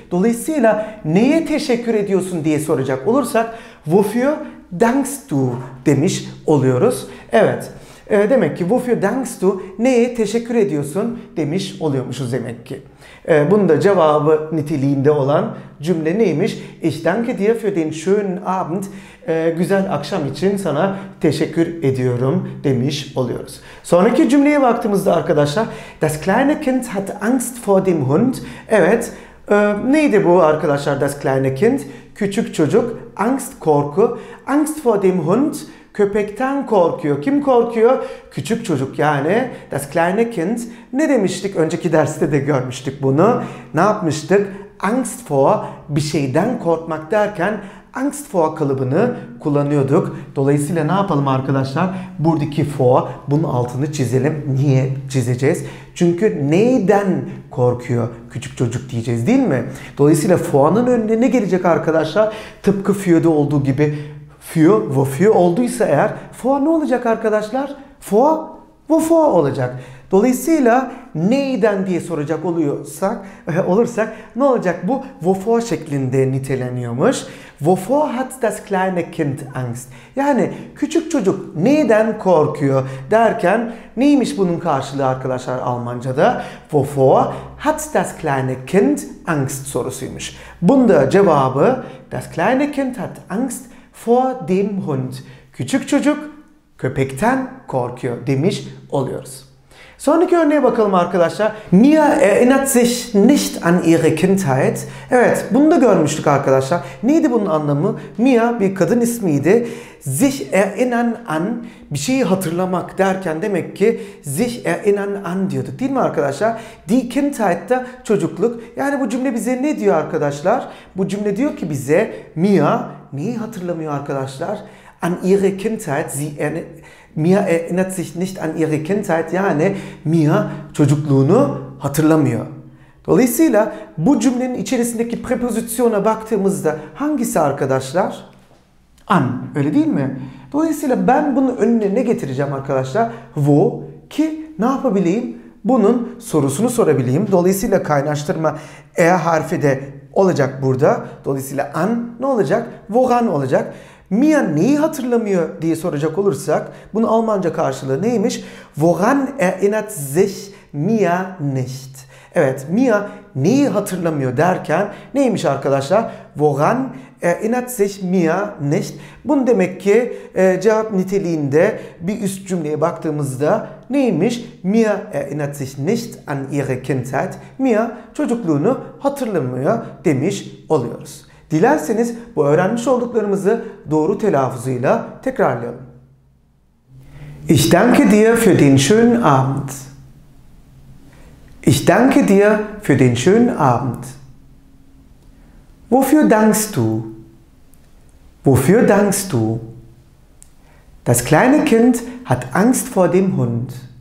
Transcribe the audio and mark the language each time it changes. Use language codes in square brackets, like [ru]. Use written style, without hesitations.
[tr] Dolayısıyla neye teşekkür ediyorsun diye soracak olursak [de] wofür dankst du [tr] demiş oluyoruz. Evet. Demek ki [de] wofür dankst du, [tr] neye teşekkür ediyorsun demiş oluyormuşuz demek ki. Bunun da cevabı niteliğinde olan cümle neymiş? [de] Ich danke dir für den schönen Abend. [tr] Güzel akşam için sana teşekkür ediyorum demiş oluyoruz. Sonraki cümleye baktığımızda arkadaşlar, [de] Das kleine Kind hat Angst vor dem Hund. [tr] Evet, neydi bu arkadaşlar [de] Das kleine Kind? [tr] Küçük çocuk, Angst, korku. [de] Angst vor dem Hund, [tr] köpekten korkuyor. Kim korkuyor? Küçük çocuk yani. [de] Das kleine Kind. [tr] Ne demiştik? Önceki derste de görmüştük bunu. Ne yapmıştık? Angst vor, bir şeyden korkmak derken Angst vor kalıbını kullanıyorduk. Dolayısıyla ne yapalım arkadaşlar? Buradaki vor, bunun altını çizelim. Niye çizeceğiz? Çünkü neyden korkuyor küçük çocuk diyeceğiz, değil mi? Dolayısıyla vor'un önüne ne gelecek arkadaşlar? Tıpkı für'de olduğu gibi für, wofür olduysa eğer vor ne olacak arkadaşlar? Vor, wofür olacak. Dolayısıyla neyden diye soracak olursak ne olacak bu? Wovor şeklinde niteleniyormuş. [de] Wovor hat das kleine Kind Angst? [tr] Yani küçük çocuk neyden korkuyor derken neymiş bunun karşılığı arkadaşlar Almanca'da? [de] Wovor hat das kleine Kind Angst sorusuymuş. [tr] Bunda cevabı [de] das kleine Kind hat Angst vor dem Hund. [tr] Küçük çocuk köpekten korkuyor demiş oluyoruz. Sonraki örneğe bakalım arkadaşlar. [de] Mia erinnert sich nicht an ihre Kindheit. [tr] Evet, bunu da görmüştük arkadaşlar. Neydi bunun anlamı? Mia bir kadın ismiydi. Sich erinnern an, bir şeyi hatırlamak derken demek ki [de] sich erinnern an [tr] diyorduk değil mi arkadaşlar? Die Kindheit de çocukluk. Yani bu cümle bize ne diyor arkadaşlar? Bu cümle diyor ki bize Mia neyi hatırlamıyor arkadaşlar? [de] An ihre Kindheit, Mia erinnert sich nicht an ihre Kindheit, [tr] yani Mia çocukluğunu hatırlamıyor. Dolayısıyla bu cümlenin içerisindeki prepozisyona baktığımızda hangisi arkadaşlar? An, öyle değil mi? Dolayısıyla ben bunun önüne ne getireceğim arkadaşlar? Wo, ki ne yapabileyim? Bunun sorusunu sorabileyim. Dolayısıyla kaynaştırma E harfi de olacak burada. Dolayısıyla an ne olacak? Woran olacak. Mia neyi hatırlamıyor diye soracak olursak bunun Almanca karşılığı neymiş? [de] Woran erinnert sich Mia nicht? [tr] Evet, Mia neyi hatırlamıyor derken neymiş arkadaşlar? [de] Woran erinnert sich Mia nicht? [tr] Bunun demek ki cevap niteliğinde bir üst cümleye baktığımızda neymiş? [de] Mia erinnert sich nicht an ihre Kindheit. [tr] Mia çocukluğunu hatırlamıyor demiş oluyoruz. Dilerseniz bu öğrenmiş olduklarımızı doğru telaffuzuyla tekrarlayalım. [de] Ich danke dir für den schönen Abend. Ich danke dir für den schönen Abend. Wofür dankst du? Wofür dankst du? Das kleine Kind hat Angst vor dem Hund.